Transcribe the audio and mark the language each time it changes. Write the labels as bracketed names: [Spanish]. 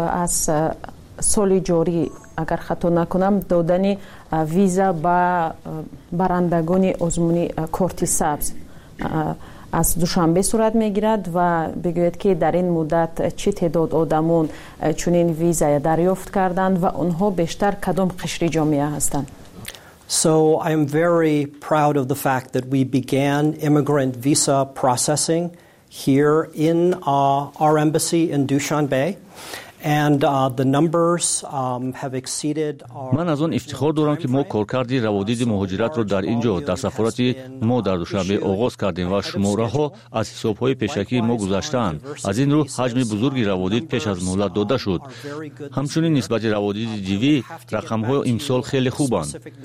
[Persian] از سال جاری اگر خطا نکنم دادن ویزا با برندگان آزمون کارت سبز از دوشنبه صورت میگیرد و بگوید که در این مدت چه تعداد آدمون چنین ویزا دریافت کردند و اونها بیشتر کدام قشر جامعه هستند؟ [English] So I am very proud of the fact that we began immigrant visa processing here in our embassy in Dushanbe. And the numbers have exceeded our... [Persian] من از آن افتخار دارم که ما کارکرد روادید مهاجرت را در اینجا در سفارت ما در دوشنبه آغاز کردیم و شماره ها از حساب های پیشکی ما گذشتند. از این رو حجم بزرگی روادید پیش از مهلت داده شد. همچنین نسبت روادید دیوی رقم های امسال خیلی خوبند.